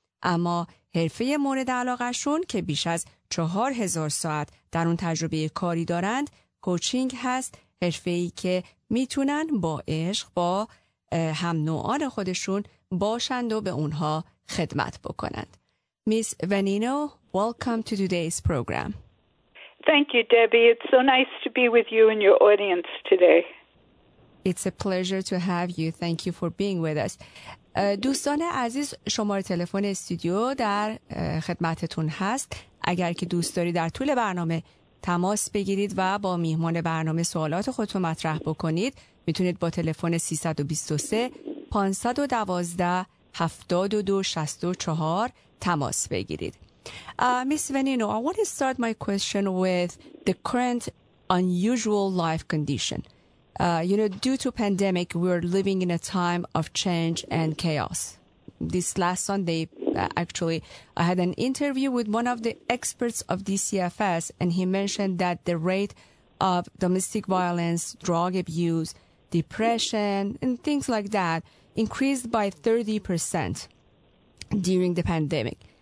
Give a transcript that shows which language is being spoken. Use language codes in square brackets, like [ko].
[fa] اما حرفه مورد علاقهشون که بیش از 4000 ساعت در اون تجربه کاری دارند، کوچینگ هست، حرفه‌ای که می تونن با عشق با هم نوعان خودشون باشند و به اونها خدمت بکنند. [en] Miss ونینو، welcome to today's program. Thank you, Debbie. It's so nice to be with you and your audience today. It's a pleasure to have you. Thank you for being with us. [fa] دوستان عزیز، شماره تلفن استودیو در خدمتتون هست. اگر که دوست داری در طول برنامه تماس بگیرید و با میهمان برنامه سوالات خودتون مطرح بکنید، میتونید با تلفن 323-512-7264 تماس بگیرید. [en] Miss Venino, I want to start my question with the current unusual life condition. You know, due to pandemic, we're living in a time of change and chaos. This last Sunday, actually, I had an interview with one of the experts of DCFS, and he mentioned that the rate of domestic violence, drug abuse, depression, and things like that increased by 30% during the pandemic.